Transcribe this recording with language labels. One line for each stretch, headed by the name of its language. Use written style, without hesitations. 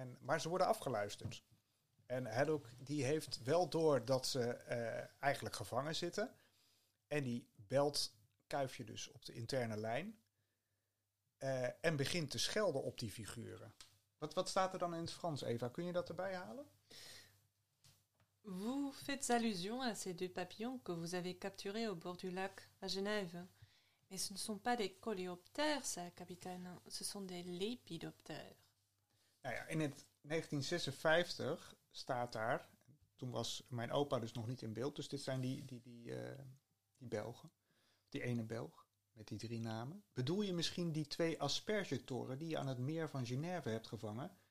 Dutch: Maar ze worden afgeluisterd. En Haddock die heeft wel door dat ze eigenlijk gevangen zitten. En die belt Kuifje dus op de interne lijn. En begint te schelden op die figuren. Wat staat er dan in het Frans, Eva? Kun je dat erbij halen?
French: Vous faites allusion à ces deux papillons que vous avez capturés au bord du lac à Genève. Mais ce ne sont pas des coléoptères, ça, capitaine. Ce sont des lépidoptères.
Dutch: Nou ja, in het 1956 staat daar, toen was mijn opa dus nog niet in beeld, dus dit zijn die Belgen, die ene Belg met die drie namen. Bedoel je misschien die twee aspergetoren die je aan het meer van Genève hebt gevangen?